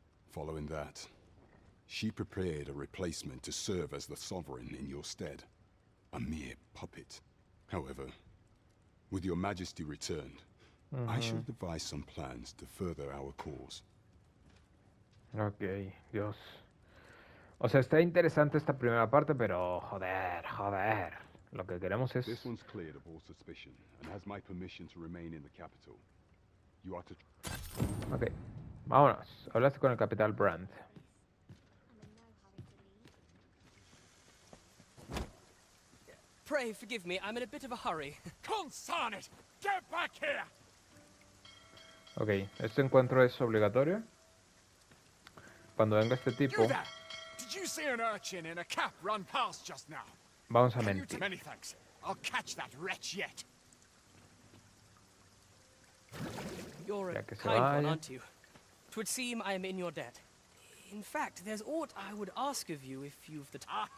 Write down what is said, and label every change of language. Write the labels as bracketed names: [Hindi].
[English] Following that, she prepared a replacement to serve as the sovereign in your stead, a mere puppet. However, with your majesty returned, I shall devise some plans to further our cause. [Spanish] Okay, Dios. O sea, está interesante esta primera parte, pero joder, joder. Lo que queremos es... [English] This one's cleared of all suspicion and has my permission to remain in the capital. You are to... [Spanish] Okay, vámonos. Hablaste con el capitán Brandt. [English] Pray forgive me, I'm in a bit of a hurry. Consarn it! Get back here! [Spanish] Okay, este encuentro es obligatorio. Cuando venga este tipo... [English] You there! Did you see an urchin in a cap run past just now? [Spanish] Vamos a mentir. [English] Many thanks. I'll catch that wretch yet. You're a kind one, aren't you? 'Twould seem I am in your debt. In fact, there's aught I would ask of you if you've the time.